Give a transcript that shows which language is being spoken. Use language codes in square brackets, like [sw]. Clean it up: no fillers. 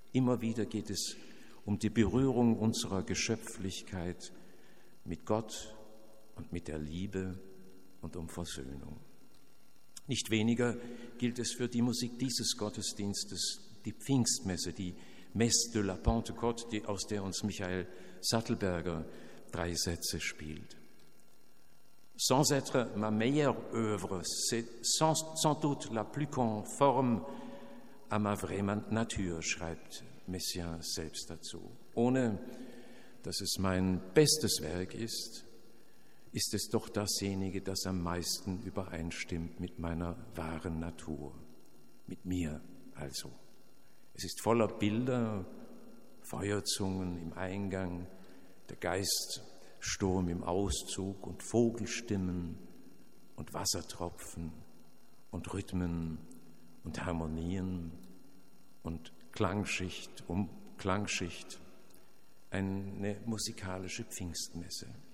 [de] Immer wieder geht es um die Berührung unserer Geschöpflichkeit mit Gott und mit der Liebe und um Versöhnung. Nicht weniger gilt es für die Musik dieses Gottesdienstes, die Pfingstmesse, die [fr] Messe de la Pentecôte, [de] die, aus der uns Michael Sattelberger drei Sätze spielt. [fr] Sans être ma meilleure œuvre, c'est sans doute la plus conforme à ma vraie nature, [de] schreibt Messiaen selbst dazu. Ohne dass es mein bestes Werk ist, ist es doch dasjenige, das am meisten übereinstimmt mit meiner wahren Natur, mit mir also. Es ist voller Bilder, Feuerzungen im Eingang, der Geiststurm im Auszug und Vogelstimmen und Wassertropfen und Rhythmen und Harmonien und Klangschicht um Klangschicht, eine musikalische Pfingstmesse.